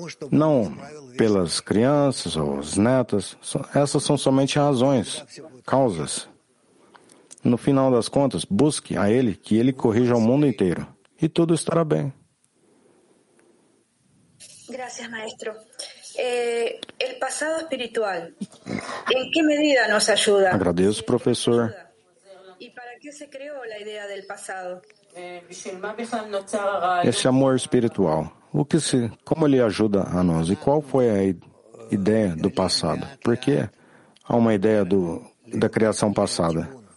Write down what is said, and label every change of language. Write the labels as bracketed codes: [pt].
[pt] Não pelas crianças ou as netas, essas são somente razões, causas. No final das contas, busque a Ele, que Ele corrija o mundo inteiro, e tudo estará bem. [es] Gracias, maestro. El pasado espiritual, ¿en qué medida nos ayuda? [pt] Agradeço, professor. [es] ¿Y para qué se creó la idea del pasado? [pt] Esse amor espiritual, como ele ajuda a nós? E qual foi a ideia do passado? Por que há uma ideia da criação passada?